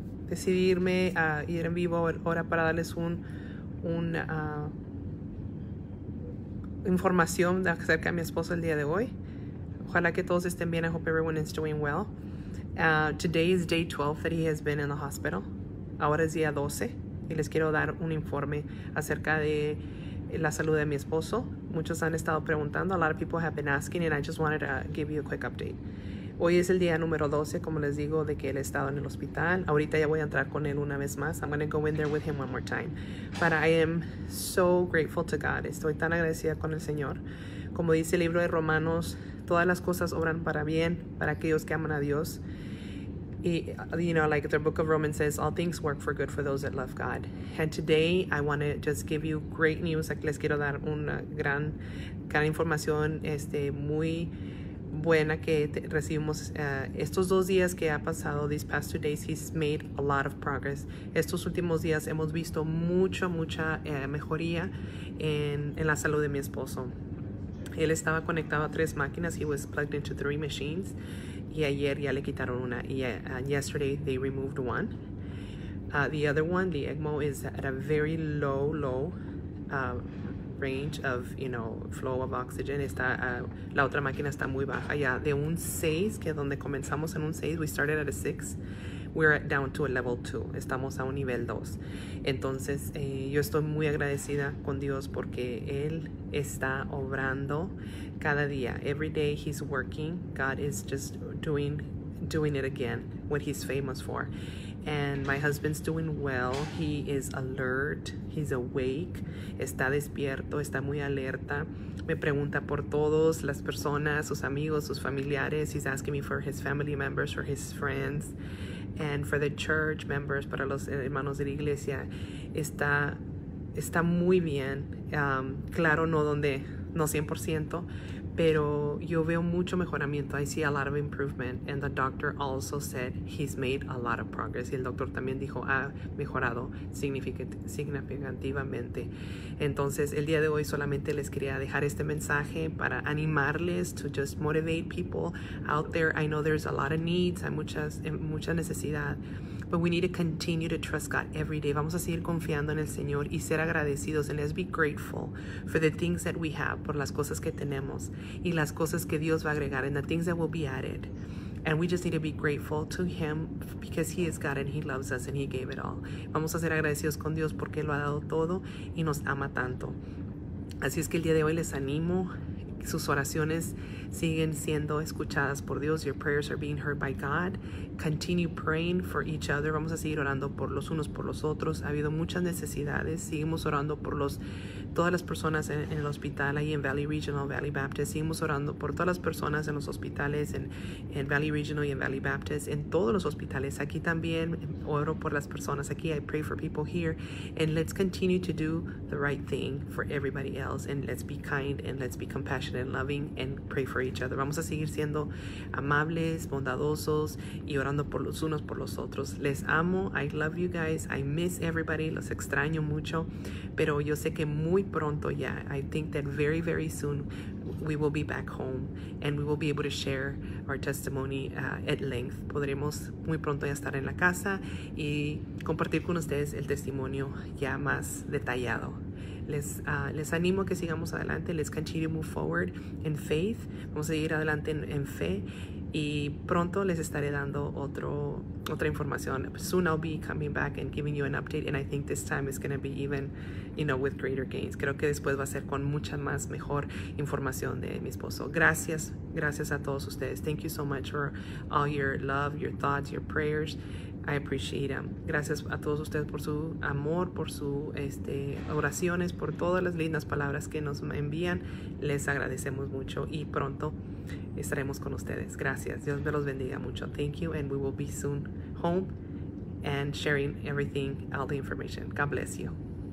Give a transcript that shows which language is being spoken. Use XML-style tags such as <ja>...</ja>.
<es>Decidí irme a ir en vivo ahora para darles información acerca de mi esposo el día de hoy. Ojalá que todos estén bien.</es> <en>I hope everyone is doing well. Today is day 12 that he has been in the hospital.</en> <es>Ahora es día 12. Y les quiero dar un informe acerca de la salud de mi esposo. Muchos han estado preguntando,</es> <en>a lot of people have been asking, and I just wanted to give you a quick update.</en> <es>Hoy es el día número 12, como les digo, de que él ha estado en el hospital. Ahorita ya voy a entrar con él una vez más.</es> <en>I'm going to go in there with him one more time. But I am so grateful to God.</en> <es>Estoy tan agradecida con el Señor. Como dice el libro de Romanos, todas las cosas obran para bien, para aquellos que aman a Dios.</es> <en>You know, like the book of Romans says, all things work for good for those that love God. And today, I want to just give you great news.</en> <es>Les quiero dar una gran información, muy buena que recibimos. Estos dos días que ha pasado,</es> <en>these past 2 days, he's made a lot of progress.</en> <es>Estos últimos días hemos visto mucha mejoría en la salud de mi esposo. Él estaba conectado a 3 máquinas.</es> <en>He was plugged into 3 machines.</en> <es>Y ayer ya le quitaron una,</es> <en>and yesterday they removed one. The other one, the ECMO, is at a very low range of, you know, flow of oxygen.</en> <es>La otra máquina está muy baja ya, de un 6, que donde comenzamos en un 6,</es> <en>we started at a 6. We're down to a level 2.</en> <es>Estamos a un nivel 2. Entonces, yo estoy muy agradecida con Dios porque Él está obrando cada día.</es> <en>Every day He's working. God is just doing it again, what He's famous for. And my husband's doing well. He is alert. He's awake.</en> <es>Está despierto. Está muy alerta. Me pregunta por todos, las personas, sus amigos, sus familiares.</es> <en>He's asking me for his family members, for his friends. And for the church members,</en> <es>para los hermanos de la iglesia, está muy bien. Claro, no 100%, pero yo veo mucho mejoramiento.</es> <en>I see a lot of improvement. And the doctor also said he's made a lot of progress.</en> <es>Y el doctor también dijo, ha mejorado significativamente. Entonces, el día de hoy solamente les quería dejar este mensaje para animarles,</es> <en>to just motivate people out there. I know there's a lot of needs,</en> <es>hay mucha necesidad.</es> <en>But we need to continue to trust God every day.</en> <es>Vamos a seguir confiando en el Señor y ser agradecidos.</es> <en>And let's be grateful for the things that we have,</en> <es>por las cosas que tenemos y las cosas que Dios va a agregar,</es> <en>and the things that will be added. And we just need to be grateful to Him because He is God and He loves us and He gave it all.</en> <es>Vamos a ser agradecidos con Dios porque lo ha dado todo y nos ama tanto. Así es que el día de hoy les animo. Sus oraciones siguen siendo escuchadas por Dios.</es> <en>Your prayers are being heard by God. Continue praying for each other.</en> <es>Vamos a seguir orando por los unos por los otros. Ha habido muchas necesidades. Seguimos orando por todas las personas en el hospital ahí en Valley Regional, Valley Baptist. Seguimos orando por todas las personas en los hospitales en Valley Regional y en Valley Baptist. En todos los hospitales. Aquí también oro por las personas.</es> <en>Aquí I pray for people here. And let's continue to do the right thing for everybody else. And let's be kind and let's be compassionate. And loving and pray for each other.</en> <es>Vamos a seguir siendo amables, bondadosos y orando por los unos por los otros. Les amo.</es> <en>I love you guys. I miss everybody.</en> <es>Los extraño mucho. Pero yo sé que muy pronto ya,</es> <en>I think that very, very soon we will be back home and we will be able to share our testimony at length.</en> <es>Podremos muy pronto ya estar en la casa y compartir con ustedes el testimonio ya más detallado. Les animo a que sigamos adelante.</es> <en>Let's continue to move forward in faith.</en> <es>Vamos a ir adelante en fe. Y pronto les estaré dando otra información.</es> <en>Soon I'll be coming back and giving you an update. And I think this time is going to be even, you know, with greater gains.</en> <es>Creo que después va a ser con mucha más mejor información de mi esposo. Gracias. Gracias a todos ustedes.</es> <en>Thank you so much for all your love, your thoughts, your prayers. I appreciate them.</en> <es>Gracias a todos ustedes por su amor, por su oraciones, por todas las lindas palabras que nos envían. Les agradecemos mucho y pronto estaremos con ustedes. Gracias. Dios me los bendiga mucho.</es> <en>Thank you, and we will be soon home and sharing everything, all the information. God bless you.</en>